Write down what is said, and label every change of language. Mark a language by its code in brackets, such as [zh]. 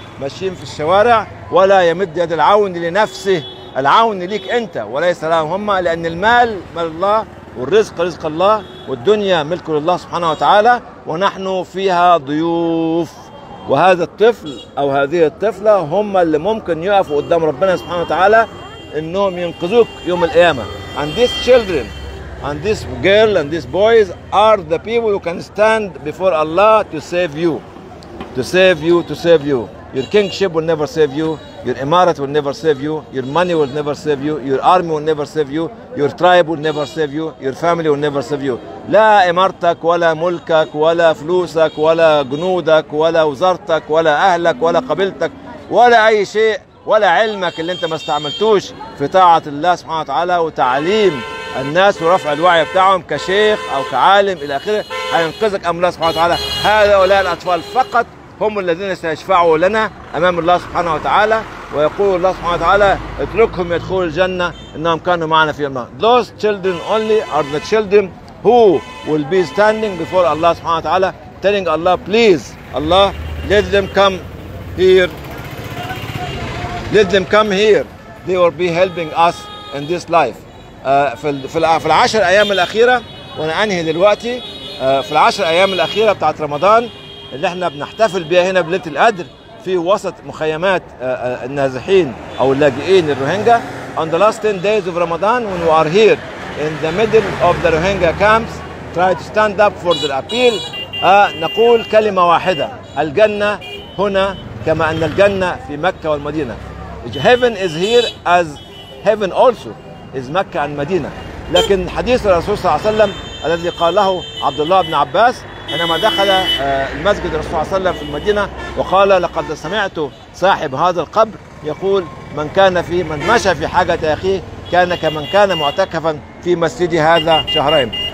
[ar] ماشيين في الشوارع ولا يمد يد العون لنفسه، العون ليك انت وليس لهم، لان المال مال الله والرزق رزق الله والدنيا ملك لله سبحانه وتعالى ونحن فيها ضيوف، وهذا الطفل او هذه الطفلة هم اللي ممكن يقفوا قدام ربنا سبحانه وتعالى انهم ينقذوك يوم القيامة. [en] And these children and this girl and these boys are the people who can stand before Allah to save you. To save you, to save you. Your kingship will never save you. Your emirate will never save you. Your money will never save you. Your army will never save you. Your tribe will never save you. Your family will never save you. [ar] لا امارتك ولا ملكك ولا فلوسك ولا جنودك ولا وزارتك ولا اهلك ولا قبيلتك ولا اي شيء ولا علمك اللي انت ما استعملتوش في طاعة الله سبحانه وتعالى وتعليم الناس ورفع الوعي بتاعهم كشيخ او كعالم الى اخره، هينقذك أمر الله سبحانه وتعالى. هؤلاء الأطفال فقط هم الذين سيشفعوا لنا أمام الله سبحانه وتعالى. ويقول الله سبحانه وتعالى اتركهم يدخلوا الجنة إنهم كانوا معنا في النار. [en] Those children only are the children who will be standing before Allah [ar] سبحانه وتعالى [en] telling Allah please Allah let them come here, let them come here, they will be helping us in this life. [ar] في العشر أيام الأخيرة وأنا أنهي دلوقتي في العشر أيام الأخيرة بتاعت رمضان اللي احنا بنحتفل بها هنا بليلة القدر في وسط مخيمات النازحين أو اللاجئين الروهينجا. [en] On the last 10 days of Ramadan when we are here in the middle of the Rohingya camps try to stand up for the appeal. [ar] نقول كلمة واحدة, الجنة هنا كما أن الجنة في مكة والمدينة. [en] Heaven is here as heaven also is مكة and مدينة. [ar] لكن حديث الرسول صلى الله عليه وسلم الذي قال له عبد الله بن عباس عندما دخل المسجد الرسول صلى الله عليه وسلم في المدينة وقال لقد سمعت صاحب هذا القبر يقول من كان في من مشى في حاجة أخيه كان كمن كان معتكفا في مسجد هذا شهرين.